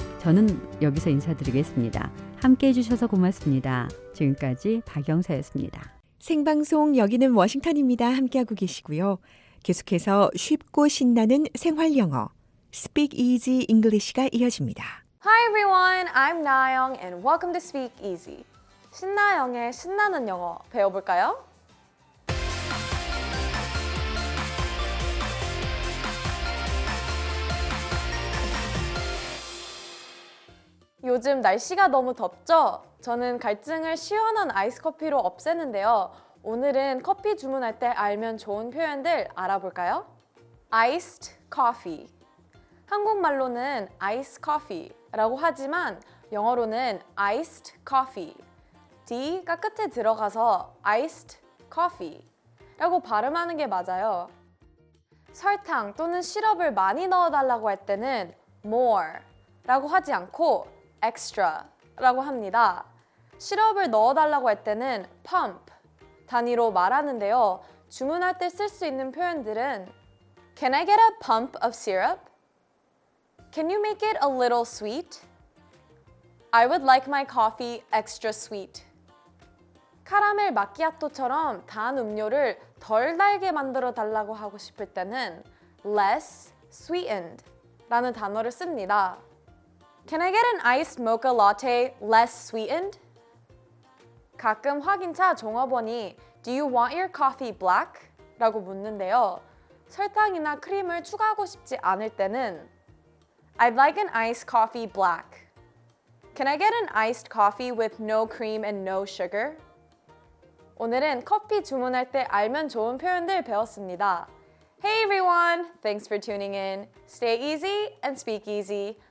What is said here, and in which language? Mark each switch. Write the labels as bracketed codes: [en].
[ko] 저는 여기서 인사드리겠습니다. 함께해 주셔서 고맙습니다. 지금까지 박영사였습니다. 생방송 여기는 워싱턴입니다. 함께하고 계시고요. 계속해서 쉽고 신나는 생활 영어 Speak Easy English가 이어집니다. [en] Hi everyone, I'm Nayoung and welcome to Speak Easy. [ko] 신나영의 신나는 영어 배워볼까요? 요즘 날씨가 너무 덥죠? 저는 갈증을 시원한 아이스커피로 없애는데요. 오늘은 커피 주문할 때 알면 좋은 표현들 알아볼까요? [en] Iced coffee. [ko] 한국말로는 ice coffee라고 하지만 영어로는 iced coffee. D가 끝에 들어가서 iced coffee라고 발음하는 게 맞아요. 설탕 또는 시럽을 많이 넣어달라고 할 때는 more라고 하지 않고 extra라고 합니다. 시럽을 넣어달라고 할 때는 pump 단위로 말하는데요. 주문할 때 쓸 수 있는 표현들은 [en] Can I get a pump of syrup? Can you make it a little sweet? I would like my coffee extra sweet. [ko] 카라멜 마키아토처럼 단 음료를 덜 달게 만들어 달라고 하고 싶을 때는 less sweetened 라는 단어를 씁니다. [en] Can I get an iced mocha latte less sweetened? [ko] 가끔 확인차 종업원이 [en] Do you want your coffee black? [ko] 라고 묻는데요. 설탕이나 크림을 추가하고 싶지 않을 때는 [en] I'd like an iced coffee black. Can I get an iced coffee with no cream and no sugar? [ko] 오늘은 커피 주문할 때 알면 좋은 표현들 배웠습니다. [en] Hey everyone! Thanks for tuning in. Stay easy and speak easy.